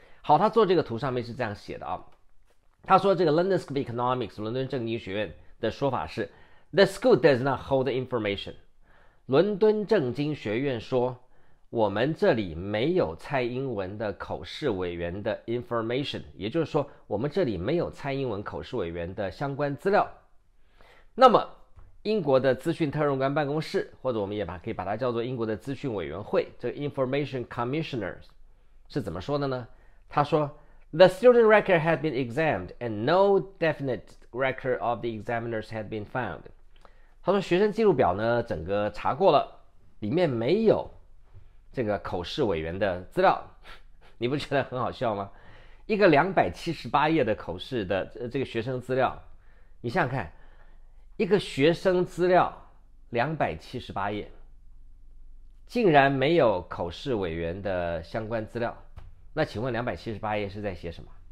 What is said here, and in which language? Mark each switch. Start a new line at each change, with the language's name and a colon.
Chinese: 好，他做这个图上面是这样写的啊，他说这个 London School of Economics 伦敦政经学院的说法是
English: The school does not hold the information，
Chinese: 伦敦政经学院说我们这里没有蔡英文的口试委员的 information， 也就是说我们这里没有蔡英文口试委员的相关资料。那么英国的资讯特任官办公室，或者我们也可以把它叫做英国的资讯委员会，这个 Information Commissioners 是怎么说的呢？他说
English: The student record had been examined and no definite record of the examiners had been found，
Chinese: 他说学生记录表呢整个查过了，里面没有这个口试委员的资料。你不觉得很好笑吗？一个278页的口试的这个学生资料，你想想看，一个学生资料278页竟然没有口试委员的相关资料，那请问278页是在写什么？